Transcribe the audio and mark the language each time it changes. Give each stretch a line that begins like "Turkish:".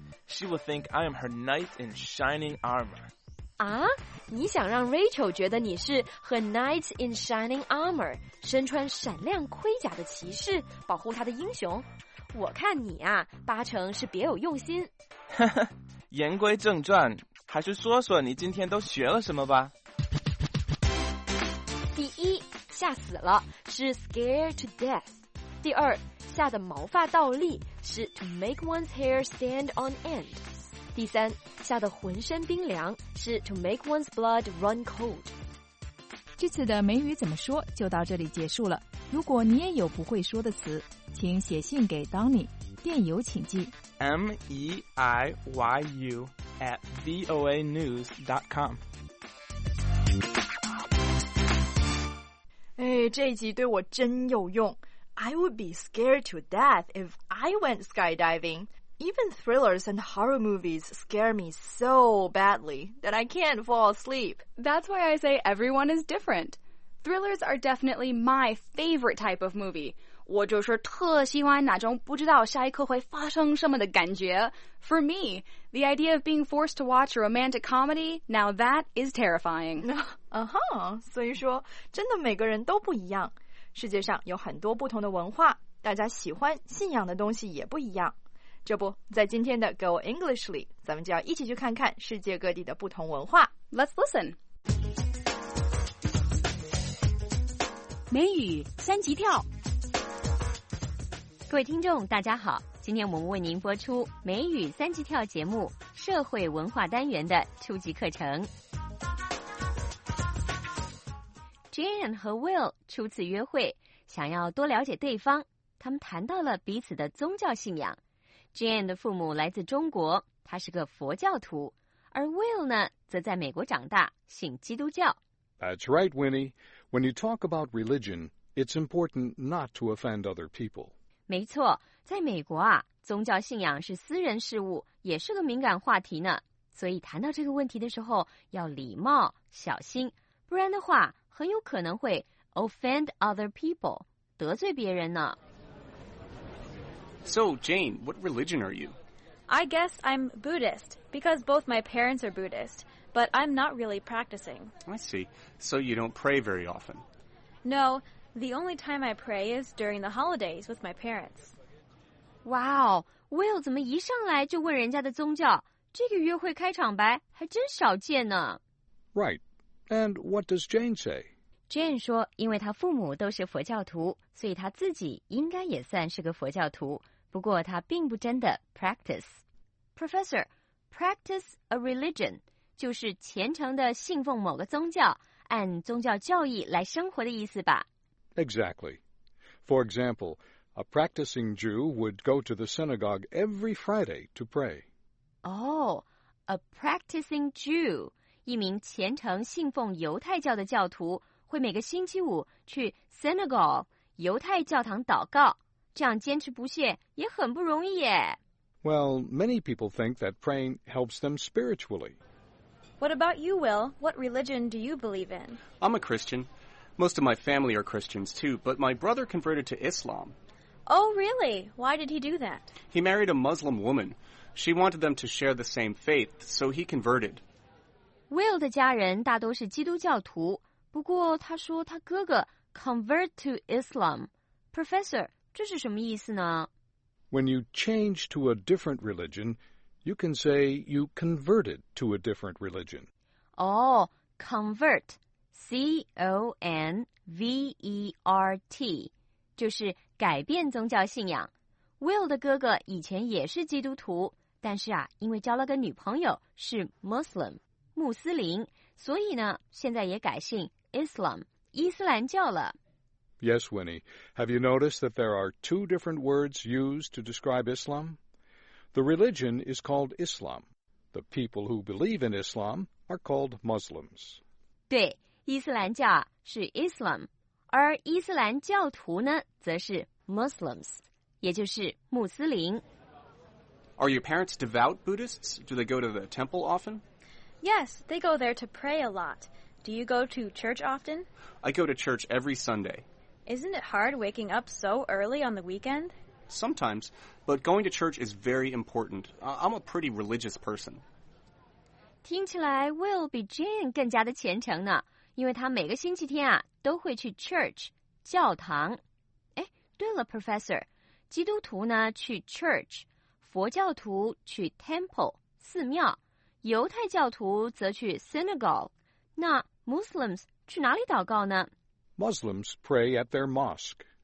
English: She will think I am her knight in shining armor.
Chinese: 啊，你想让 Rachel 觉得你是
English: her knight in shining armor，
Chinese: 身穿闪亮盔甲的骑士，保护她的英雄？我看你啊，八成是别有用心。言归正传，还是说说你今天都学了什么吧。第一，吓死了，是
English: scare to death。
Chinese: 第二，下的毛发倒立是
English: to make one's hair stand on end。
Chinese: 第三，吓得浑身冰凉是
English: to make one's blood run cold。
Chinese: 这次的美语怎么说就到这里结束了。如果你也有不会说的词，请写信给 Donny， 电邮请寄 meiyu@voanews.com。哎，这一集对我真有用。
English: I would be scared to death if I went skydiving. Even thrillers and horror movies scare me so badly that I can't fall asleep. That's why I say everyone is different. Thrillers are definitely my favorite type of movie.
Chinese: 我就是特喜欢那种不知道下一刻会发生什么的感觉。
English: For me, the idea of being forced to watch a romantic comedy, now that is terrifying.
Chinese: Uh-huh, 所以说真的每个人都不一样。世界上有很多不同的文化，大家喜欢信仰的东西也不一样。这不，在今天的 Go English 里，咱们就要一起去看看世界各地的不同文化。
English: Let's listen.
Chinese: 美语三级跳。各位听众，大家好，今天我们为您播出美语三级跳节目社会文化单元的初级课程。 Jan 和 Will 初次约会，想要多了解对方，他们谈到了彼此的宗教信仰。 Jan 的父母来自中国，他是个佛教徒，而 Will 呢，则在美国长大，信基督教。
English: That's right, Winnie. When you talk about religion, it's important not to offend other people.
Chinese: 没错，在美国啊，宗教信仰是私人事务，也是个敏感话题呢。所以谈到这个问题的时候，要礼貌，小心，不然的话很有可能会
English: offend other people,
Chinese: 得罪别人呢。
English: So, Jane, what religion are you? I guess I'm Buddhist, because both my parents are Buddhist, but I'm not really practicing. I see. So you don't pray very often? No, the only time I pray is during the holidays with my parents.
Chinese: Wow, Will 怎么一上来就问人家的宗教？这个约会开场白还真少见呢。
English: Right. And what does Jane say?
Chinese: Jane 说因为她父母都是佛教徒，所以她自己应该也算是个佛教徒，不过她并不真的 practice. Professor,
English: practice a religion
Chinese: 就是虔诚地信奉某个宗教，按宗教教义来生活的意思吧。
English: Exactly. For example, a practicing Jew would go to the synagogue every Friday to pray. Oh, a practicing Jew...
Chinese: 一名虔诚信奉犹太教的教徒会每个星期五去 synagogue 犹太教堂祷告，这样坚持不懈也很不容易耶。
English: Well, many people think that praying helps them spiritually. What about you, Will? What religion do you believe in? I'm a Christian. Most of my family are Christians too, but my brother converted to Islam. Oh, really? Why did he do that? He married a Muslim woman. She wanted them to share the same faith, so he converted.
Chinese: Will 的家人大都是基督教徒，不过他说他哥哥
English: convert to Islam.
Chinese: Professor, 这是什么意思呢？
English: When you change to a different religion, you can say you converted to a different religion. Oh, convert, C-O-N-V-E-R-T,
Chinese: 就是改变宗教信仰。 Will 的哥哥以前也是基督徒，但是啊，因为交了个女朋友是 Muslim。穆斯林，所以呢，现在也改信 Islam, 伊斯兰教了。
English: Yes, Winnie. Have you noticed that there are two different words used to describe Islam? The religion is called Islam. The people who believe in Islam are called Muslims.
Chinese: 对，伊斯兰教是 Islam, 而伊斯兰教徒呢，则是 Muslims, 也就是穆斯林。
English: Are your parents devout Buddhists? Do they go to the temple often? Yes, they go there to pray a lot. Do you go to church often? I go to church every Sunday. Isn't it hard waking up so early on the weekend? Sometimes, but going to church is very important. I'm a pretty religious person.
Chinese: 听起来 Will 比 Jane 更加的虔诚呢，因为他每个星期天啊都会去 church, 教堂。哎，对了 ,Professor, 基督徒呢去 church, 佛教徒去 temple, 寺庙。犹太教徒则去 synagogue, 那 Muslims 去哪里祷告呢？
English: Muslims pray at their mosque.